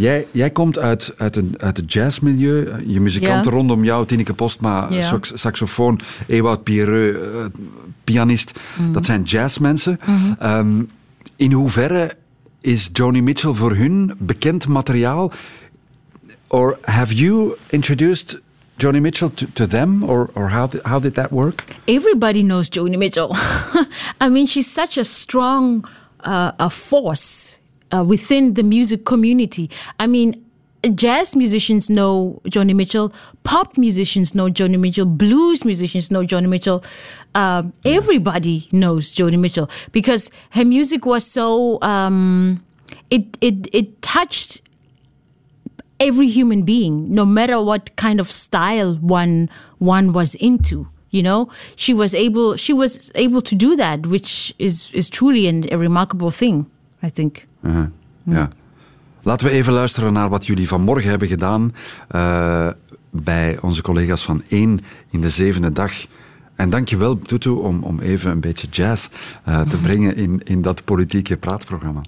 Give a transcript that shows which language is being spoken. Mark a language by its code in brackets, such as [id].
[nl] Jij komt uit het jazzmilieu. Je muzikanten rondom jou, Tineke Postma, saxofoon, Ewout Pierreux, pianist. Mm-hmm. Dat zijn jazzmensen. Mm-hmm. In hoeverre is Joni Mitchell voor hun bekend materiaal? [en] Or have you introduced Joni Mitchell to them? Or how did that work? Everybody knows Joni Mitchell. I mean, she's such a strong a force within the music community. I mean, jazz musicians know Joni Mitchell. Pop musicians know Joni Mitchell. Blues musicians know Joni Mitchell. Everybody knows Joni Mitchell because her music was so it touched every human being, no matter what kind of style one was into. You know, she was able to do that, which is truly a remarkable thing, I think. Uh-huh. Mm. Yeah. [nl] Laten we even luisteren naar wat jullie vanmorgen hebben gedaan bij onze collega's van 1 in de zevende dag. En dankjewel, Tutu, om even een beetje jazz te brengen in dat politieke praatprogramma.